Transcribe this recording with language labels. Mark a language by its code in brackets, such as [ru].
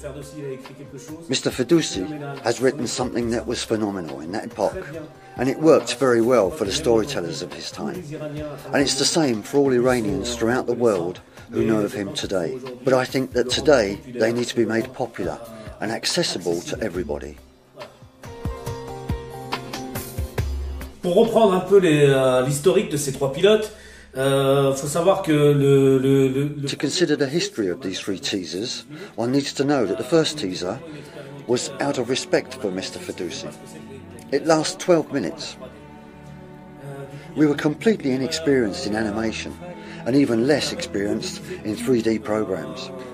[en] Mr. Fedusi has written something that was phenomenal in that epoch, and it worked very well for the storytellers of his time. And it's the same for all Iranians throughout the world who know of him today. But I think that today they need to be made popular and accessible to everybody. [fr] Pour reprendre un peu l'historique de ces trois pilotes, faut savoir que le [en] to consider the history of these three teasers, one needs to know that the first teaser was out of respect for Mr. Fedusi. It lasts 12 minutes. We were completely inexperienced in animation and even less experienced in 3D programs.